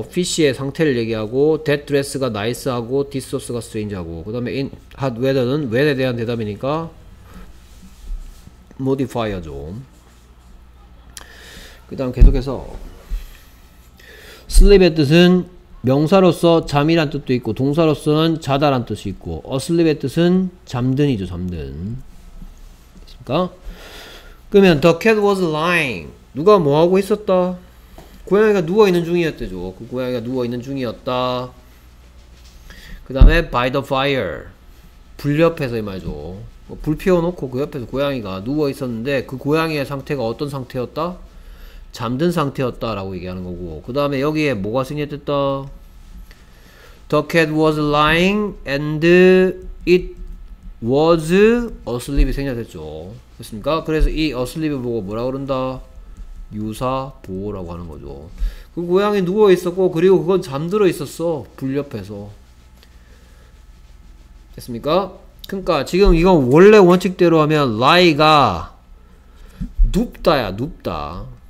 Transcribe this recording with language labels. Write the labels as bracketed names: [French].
[Korean] fish의 상태를 얘기하고, that dress가 nice하고, this sauce가 strange하고, 그 다음에 in hot weather는 when에 대한 대답이니까 modifier죠. 그 다음 계속해서 sleep의 뜻은 명사로서 잠이란 뜻도 있고, 동사로서는 자다란 뜻이 있고, asleep의 뜻은 잠든이죠, 잠든. 됐습니까? 그러면 [English] the cat was lying. [Korean] 누가 뭐하고 있었다? 고양이가 누워있는 중이었대죠. 그 고양이가 누워있는 중이었다. 그 다음에 [English] by the fire. [Korean] 불 옆에서 이 말이죠. 불 피워놓고 그 옆에서 고양이가 누워있었는데 그 고양이의 상태가 어떤 상태였다? 잠든 상태였다 라고 얘기하는 거고 그 다음에 여기에 뭐가 승리했댔다? [English] The cat was lying and it was asleep이 [Korean] 생략됐죠. 그렇습니까? 그래서 이 어슬립을 보고 뭐라 그런다? 유사 보호라고 하는 거죠. 그 고양이 누워 있었고 그리고 그건 잠들어 있었어 불 옆에서. 됐습니까? 그러니까 지금 이건 원래 원칙대로 하면 lie가 눕다야 눕다.